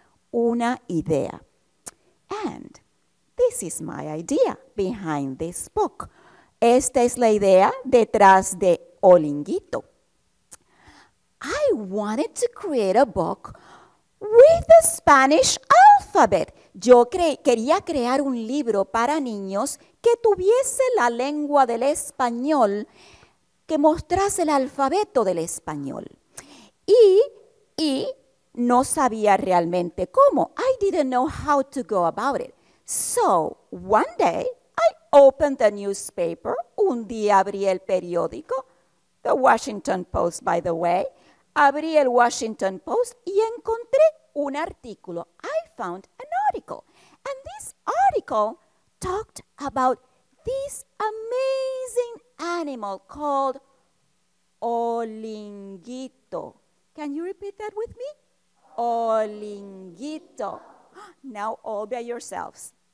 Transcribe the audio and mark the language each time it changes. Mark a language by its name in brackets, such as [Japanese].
[Spanish] Una idea. [English] And this is my idea behind this book. [Spanish] Esta es la idea detrás de Olinguito. [English] I wanted to create a book with the Spanish alphabet. [Spanish] Yo quería crear un libro para niños que tuviese la lengua del español, que mostrase el alfabeto del español. Y no sabía realmente cómo. [English] I didn't know how to go about it. So, one day, I opened the newspaper. [Spanish] Un día abrí el periódico. The Washington Post, [English] by the way. [Spanish] Abrí el Washington Post y encontré un artículo. [English] I found an article. And this article talked about this amazing animal called Olinguito. Can you repeat that with me? Olinguito. Now all by yourselves.